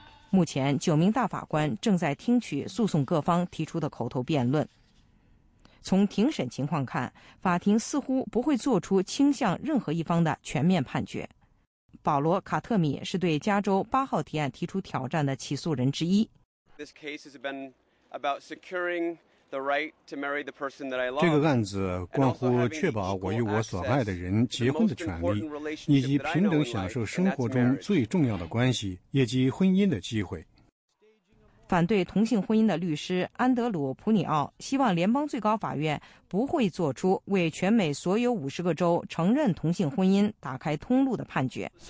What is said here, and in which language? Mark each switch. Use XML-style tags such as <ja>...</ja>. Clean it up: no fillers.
<zh>目前9名大法官正在听取诉讼各方提出的口头辩论。从庭审情况看，法庭似乎不会做出倾向任何一方的全面判决。保罗·卡特米是对加州八号提案提出挑战的起诉人之一。</zh> <en>This case has been about securing the right to marry the person that I love.</en> <zh>这个案子关乎确保我与我所爱的人结婚的权利，以及平等享受生活中最重要的关系，以及婚姻的机会。反对同性婚姻的律师安德鲁·普尼奥希望联邦最高法院不会做出为全美所有50个州承认同性婚姻打开通路的判决。</zh>